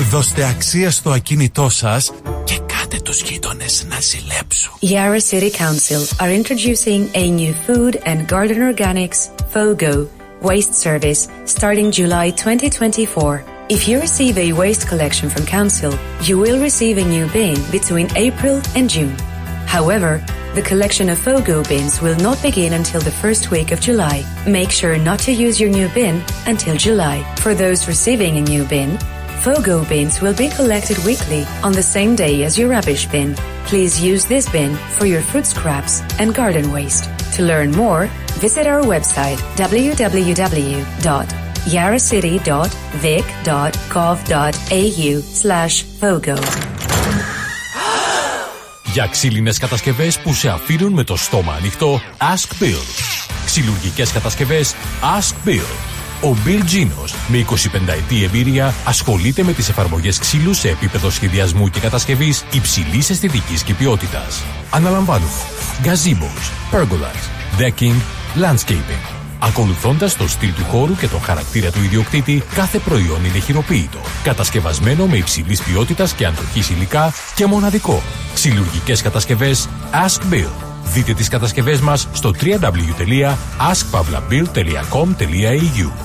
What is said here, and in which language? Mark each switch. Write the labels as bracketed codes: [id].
[el] Δώστε αξία στο ακίνητό σας και κάντε τους γείτονες να ζηλέψουν. [en] Yarra City Council are introducing a new food and garden organics FOGO waste service starting July 2024. If you receive a waste collection from council, you will receive a new bin between April and June. However, the collection of FOGO bins will not begin until the first week of July. Make sure not to use your new bin until July. For those receiving a new bin, FOGO bins will be collected weekly on the same day as your rubbish bin. Please use this bin for your fruit scraps and garden waste. To learn more, visit our website www.yarracity.vic.gov.au/FOGO. [el] Για ξύλινες κατασκευές που σε αφήνουν με το στόμα ανοιχτό, Ask Bill. Ξυλουργικές κατασκευές, Ask Bill. Ο Bill Genos, με 25 ετή εμπειρία, ασχολείται με τις εφαρμογές ξύλου σε επίπεδο σχεδιασμού και κατασκευής υψηλής αισθητικής και ποιότητας. Αναλαμβάνουμε [en] gazebos, pergolas, decking, landscaping. [el] Ακολουθώντας το στυλ του χώρου και τον χαρακτήρα του ιδιοκτήτη, κάθε προϊόν είναι χειροποίητο, κατασκευασμένο με υψηλής ποιότητας και αντοχής υλικά και μοναδικό. Ξυλουργικές κατασκευές Ask Bill. Δείτε τις κατασκευές μας στο www.askpavlabill.com.au.